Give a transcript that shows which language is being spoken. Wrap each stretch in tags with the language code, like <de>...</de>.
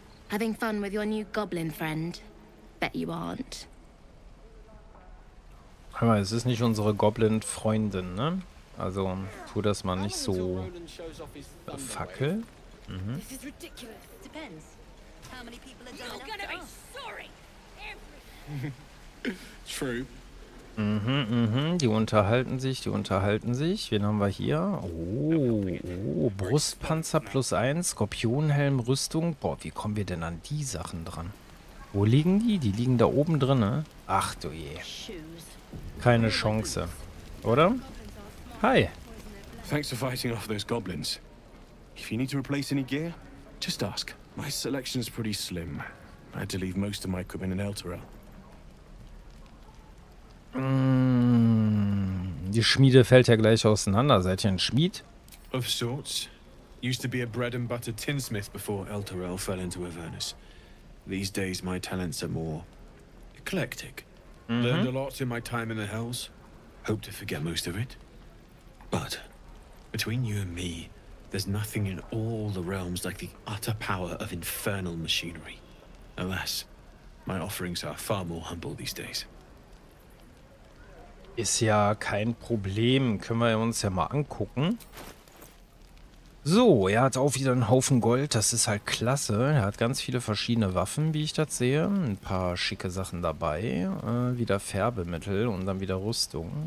<en>Having fun with your new goblin friend. Bet you aren't.</en> <de>Hör mal, es ist nicht unsere Goblin-Freundin, ne? Also, tu das mal nicht so. Fackel.</de> <en>Mhm. This is ridiculous. Depends. How many people are you gonna be sorry? True.</en> <de>Die unterhalten sich. Wen haben wir hier? Oh, Brustpanzer plus 1, Skorpionhelm, Rüstung. Boah, wie kommen wir denn an die Sachen dran? Wo liegen die? Die liegen da oben drin, ne? Ach du je. Keine Chance. Oder? Hi.</de> <en>Thanks for fighting off those goblins. If you need to replace any gear, just ask. My selection is pretty slim. I had to leave most of my equipment in Elturel. Die Schmiede fällt ja gleich auseinander.</en> <de>Seid ihr ein Schmied?</de> <en>Of sorts. Used to be a bread and butter tinsmith before Elturel fell into Avernus. These days my talents are more eclectic. Mm-hmm. Learned a lot in my time in the Hells. Hope to forget most of it. But between you and me, there's nothing in all the realms like the utter power of infernal machinery. Alas, my offerings are far more humble these days.</en> <de>Ist ja kein Problem. Können wir uns ja mal angucken. So, er hat auch wieder einen Haufen Gold. Das ist halt klasse. Er hat ganz viele verschiedene Waffen, wie ich das sehe. Ein paar schicke Sachen dabei. Wieder Färbemittel und dann wieder Rüstung.</de>